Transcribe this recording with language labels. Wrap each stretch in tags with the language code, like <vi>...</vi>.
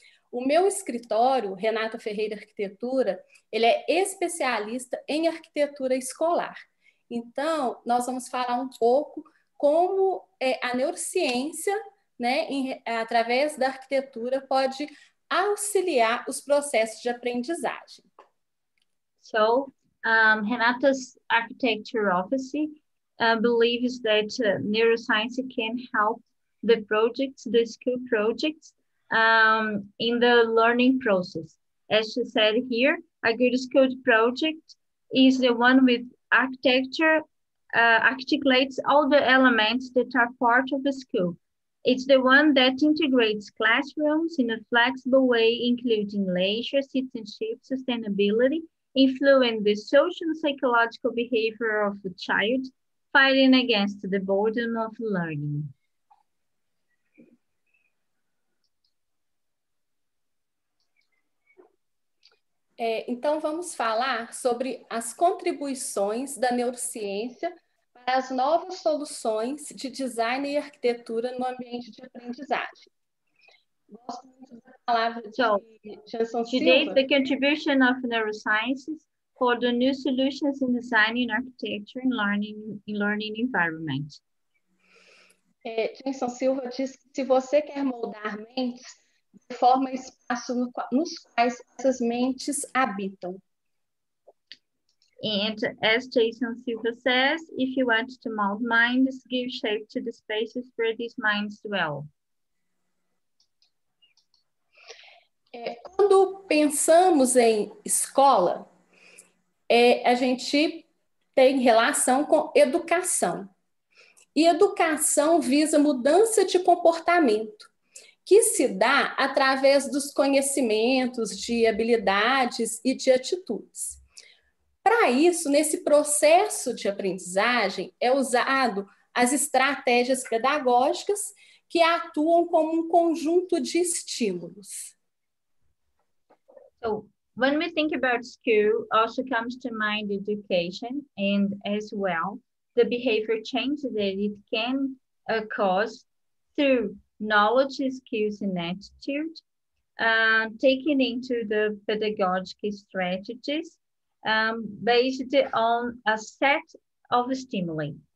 <pt>O meu escritório, Renata Ferreira Arquitetura, ele é especialista em arquitetura escolar. Então, nós vamos falar um pouco como a neurociência, né, através da arquitetura, pode auxiliar os processos de aprendizagem.</pt> <en>So, Renata's architecture office believes that neuroscience can help the projects, the school projects, in the learning process. As she said here, a good school project is the one with architecture articulates all the elements that are part of the school. It's the one that integrates classrooms in a flexible way, including leisure, citizenship, sustainability, influence the social and psychological behavior of the child, fighting against the boredom of learning.</en> <pt>Então, vamos falar sobre as contribuições da neurociência para as novas soluções de design e arquitetura no ambiente de aprendizagem.</pt> <en>Today, the contribution of neurosciences for the new solutions in design and architecture and learning in learning environment.</en> <pt>Jameson Silva diz que se você quer moldar mentes, forma espaço no, nos quais essas mentes habitam.</pt> <en>And as Jason Silva says, if you want to mold minds, give shape to the spaces where these minds dwell.</en> <pt>Quando pensamos em escola, a gente tem relação com educação. E educação visa mudança de comportamento, que se dá através dos conhecimentos, de habilidades e de atitudes. Para isso, nesse processo de aprendizagem, é usado as estratégias pedagógicas que atuam como um conjunto de estímulos.</pt> <en>So, when we think about school, also comes to mind education and as well, the behavior change that it can cause through knowledge, skills, and attitude, taking into the pedagogic strategies based on a set of stimuli.</en>